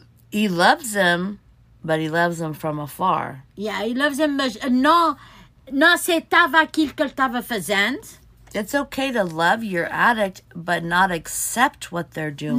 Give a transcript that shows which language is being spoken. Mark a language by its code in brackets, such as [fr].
[en] he loves him, but he loves him from afar. Yeah, he loves him, [pt] mas não aceitava aquilo que ele estava fazendo. [en] It's okay to love your addict, but not accept what they're doing.